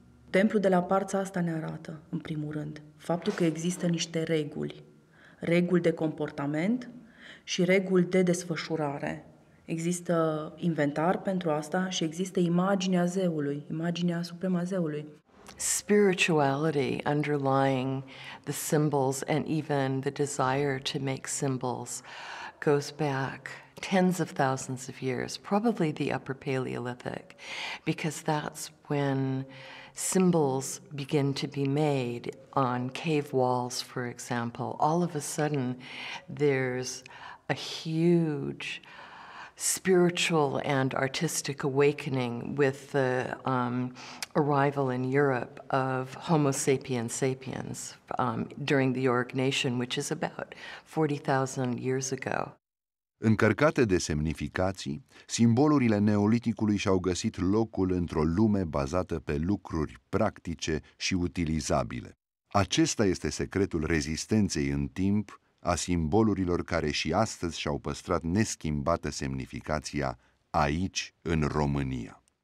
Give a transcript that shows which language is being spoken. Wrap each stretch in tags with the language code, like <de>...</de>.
<ro>Templul de la Parța asta ne arată, în primul rând, faptul că există niște reguli. Reguli de comportament și reguli de desfășurare. Există inventar pentru asta și există imaginea zeului, imaginea supremă a zeului.</ro> <en>Spirituality underlying the symbols and even the desire to make symbols goes back tens of thousands of years, probably the Upper Paleolithic, because that's when symbols begin to be made on cave walls, for example. All of a sudden, there's a huge spiritual and artistic awakening with the arrival in Europe of Homo sapiens sapiens during the Yorick Nation, which is about 40,000 years ago.</en> <ro>Încărcate de semnificații, simbolurile neoliticului și-au găsit locul într-o lume bazată pe lucruri practice și utilizabile. Acesta este secretul rezistenței în timp a simbolurilor care și astăzi și-au păstrat neschimbată semnificația aici, în România.</ro>